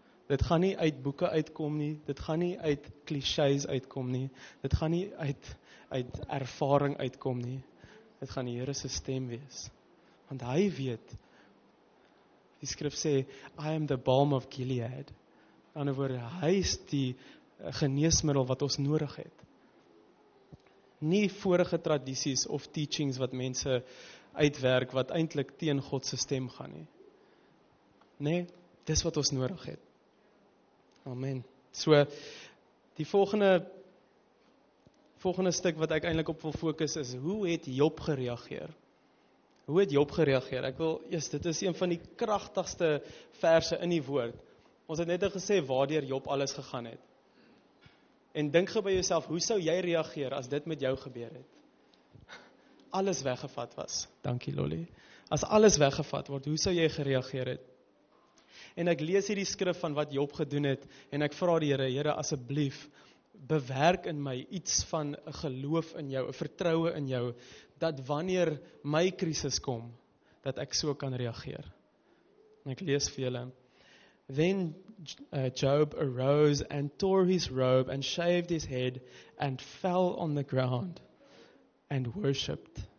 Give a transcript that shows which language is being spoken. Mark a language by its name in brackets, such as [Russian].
[Afrikaans] Dit gaan nie uit boeke uitkom nie, dit gaan nie uit clichés uitkom nie, dit gaan nie uit ervaring uitkom nie. Dit gaan die Here se stem wees. Want hy weet, die skrif sê, [English] I am the balm of Gilead. [Afrikaans] In ander woorde, hy is die geneesmiddel wat ons nodig het. Nie vorige tradities of teachings wat mense uitwerk, wat eintlik teen God se stem gaan nie. Nee, dis wat ons nodig het. Amen. So, die volgende volgende stuk wat ek eintlik op wil fokus is, hoe het Job gereageer? Hoe het Job gereageer? Ek wil, yes, dit is een van die kragtigste verse in die woord. Ons het net al gesê waardeur Job alles gegaan het. En dink gou by jouself, hoe sou jy reageer as dit met jou gebeur het? Alles weggevat was. Dankie Lolly. As alles weggevat word, hoe sou jy gereageer het? En ek lees hierdie skrif van wat Job gedoen het, en ek vra die Here, Here asseblief, bewerk in my iets van 'n geloof in jou, 'n vertroue in jou, dat wanneer my krisis kom, dat ek so kan reageer. En ek lees vir julle, [English] Then Job arose and tore his robe and shaved his head and fell on the ground and worshipped.